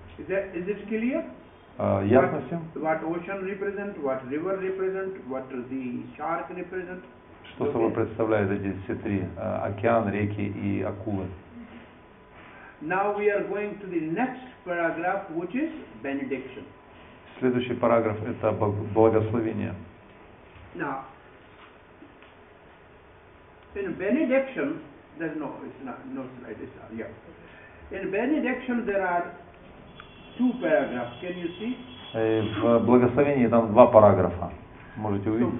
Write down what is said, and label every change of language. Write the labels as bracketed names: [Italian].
[English] Is it clear? [Russian] Ясно всем? [English] What ocean represent, what river represent, what the shark represent? [Russian] Что okay. собой представляют эти все три? Океан, реки и акулы. [English] Now we are going to the next paragraph, which is benediction. [Russian] Следующий параграф – это благословение. [English] Now, in benediction, there's no, it's not, no slide, it's not, yeah. In benediction, there are two paragraphs, can you see? [Russian] В благословении там два параграфа, можете увидеть.